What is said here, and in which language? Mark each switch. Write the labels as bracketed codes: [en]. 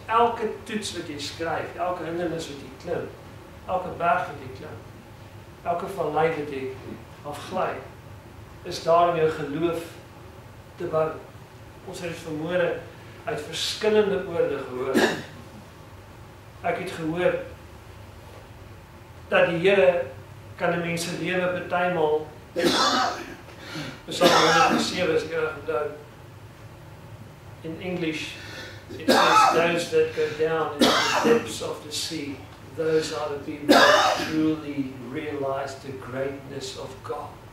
[af] Elke toets wat jy skryf, elke hindernis wat jy klim, elke berg wat jy klim, elke vallei wat jy afgly, is daar om jou geloof te bou. Ons het vanmôre uit verskillende oorde gehoor. Ek het gehoor dat die Here kan die mense lewe bytelmal. Psalm 107 is erg gedoen. [en] In English, it says, those that go down in the depths of the sea, those are the people that truly realize the greatness of God.